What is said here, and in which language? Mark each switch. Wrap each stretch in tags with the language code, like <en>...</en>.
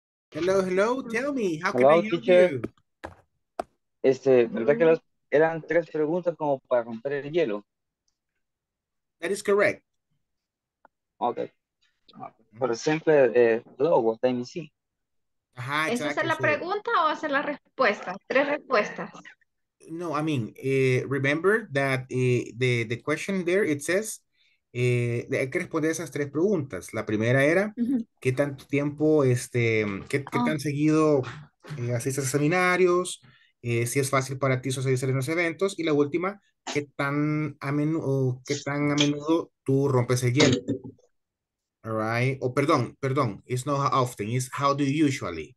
<en>Hello, tell me, how can I help you?</en> <es>¿Verdad que eran tres preguntas como para romper el hielo?</es> <en>That is correct. Okay.</en> <es>Por ejemplo,</es> <en>hello, what time is it?</en> <es>¿Es hacer la pregunta o hacer la respuesta? Tres respuestas.</es> <en>No, I mean, remember that the question there, it says,</en> <es>hay que responder esas tres preguntas. La primera era, ¿qué tanto tiempo, qué tan seguido asistes a seminarios? Si es fácil para ti socializar en los eventos. Y la última, ¿qué tan a menudo tú rompes el hielo?</es> <en>All right.</en> <es>Perdón,</es> <en>it's not how often, it's how do you usually.</en>